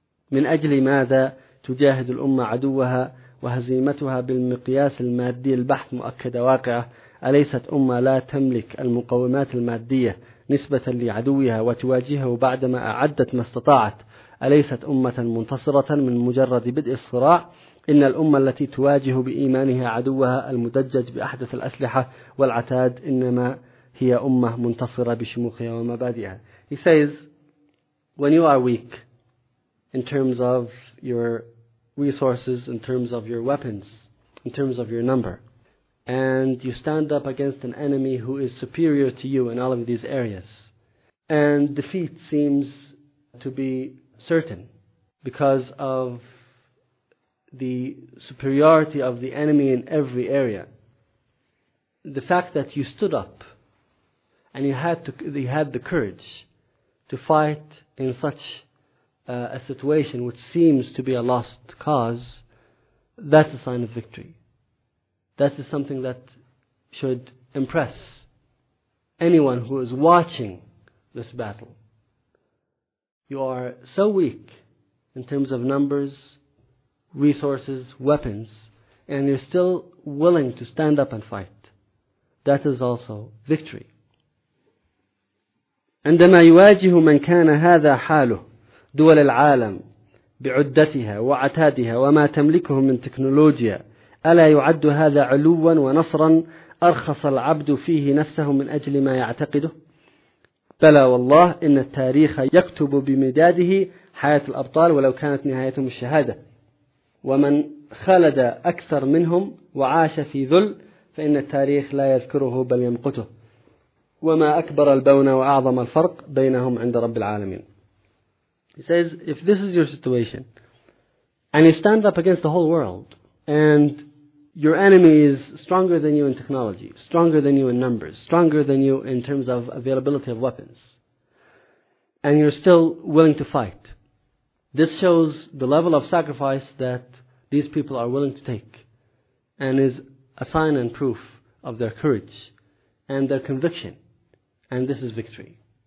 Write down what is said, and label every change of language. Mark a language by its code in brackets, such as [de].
[ar] من أجل ماذا تجاهد الأمة عدوها وهزيمتها بالمقياس المادي البحث مؤكد واقعة أليست أمة لا تملك المقومات المادية نسبة لعدوها وتواجهه بعدما أعدت ما استطاعت أليست أمة منتصرة من مجرد بدء الصراع إن الأمة التي تواجه بإيمانها عدوها المدجج بأحدث الأسلحة والعتاد إنما هي أمة منتصرة بشموخها ومبادئها. [en] He says, when you are weak in terms of your resources, in terms of your weapons, in terms of your number, and you stand up against an enemy who is superior to you in all of these areas, and defeat seems to be certain because of the superiority of the enemy in every area. The fact that you stood up and you had the courage to fight in such a situation which seems to be a lost cause, that's a sign of victory. That is something that should impress anyone who is watching this battle. You are so weak in terms of numbers, resources, weapons, and you're still willing to stand up and fight. That is also victory. [ar] عندما يواجه من كان هذا حاله دول العالم بعدتها وعتادها وما تملكه من تكنولوجيا ألا يعد هذا علوا ونصرا أرخص العبد فيه نفسه من أجل ما يعتقده؟ بلى والله إن التاريخ يكتب بمداده حياة الأبطال ولو كانت نهايتهم الشهادة ومن خلد أكثر منهم وعاش في ذل فإن التاريخ لا يذكره بل يمقته وما أكبر البون وأعظم الفرق بينهم عند رب العالمين. [en] He says, if this is your situation and you stand up against the whole world and your enemy is stronger than you in technology, stronger than you in numbers, stronger than you in terms of availability of weapons, and you're still willing to fight, this shows the level of sacrifice that these people are willing to take and is a sign and proof of their courage and their conviction. And this is victory.